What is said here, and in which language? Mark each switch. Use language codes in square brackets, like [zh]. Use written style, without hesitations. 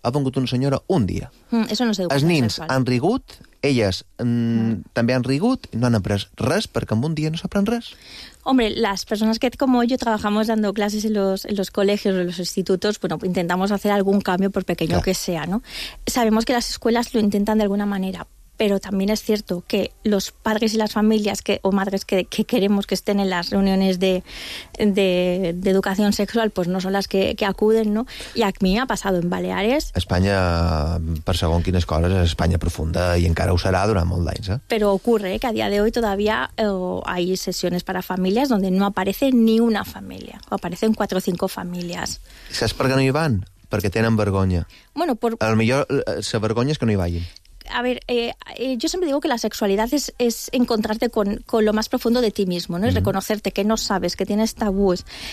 [ca] Ha vengut una senyora un dia. [es] Eso no es educación. [ca] Els nins han rigut, elles també han rigut, no han après res perquè en un dia no s'aprèn res. [es] Hombre, las personas que como yo trabajamos dando clases en los colegios o en los institutos, bueno, intentamos hacer algún cambio por pequeño que sea, ¿no? Sabemos que las escuelas lo intentan de alguna manera, pero también es cierto que los padres y las familias o madres que queremos que estén en las reuniones de educación sexual, pues no son las que acuden, ¿no? Y a mí me ha pasado en Baleares. [ca] España, per segons quines coses, és España profunda y encara ho serà durant molts anys, ¿eh? [es] Pero ocurre que a día de hoy todavía hay sesiones para familias donde no aparece ni una familia, o aparecen cuatro o cinco familias. [ca] ¿Saps per què no hi van? Perquè tenen vergonya. [es] Bueno, [ca] a lo mejor se vergonya es que no hi vagin. [es] A ver, yo siempre digo que la sexualidad es encontrarte con lo más profundo de ti mismo, ¿no? Es reconocerte que no sabes, que tienes tabúes.